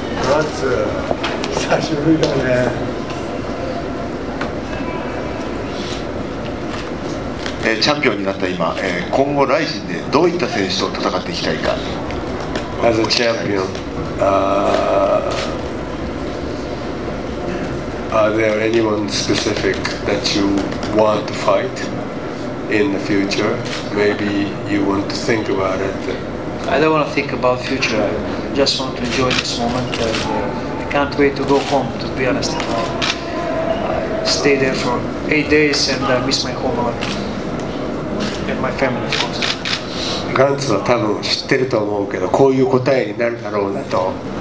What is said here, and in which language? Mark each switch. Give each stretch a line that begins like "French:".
Japanese: まず久しぶりだね。チャンピオンになった今、今後ライジンでどういった選手と戦っていきたいか。
English: As a champion, are there anyone specific that you want to fight in the future? Maybe you want to think about it. I don't want to think about future. I just want to enjoy this moment. I can't wait to go home, to be honest. I stay there for 8 days and I miss my home and my family, of course.
Japanese: Gantz は多分知ってると思うけど、こういう答えになるだろうなと。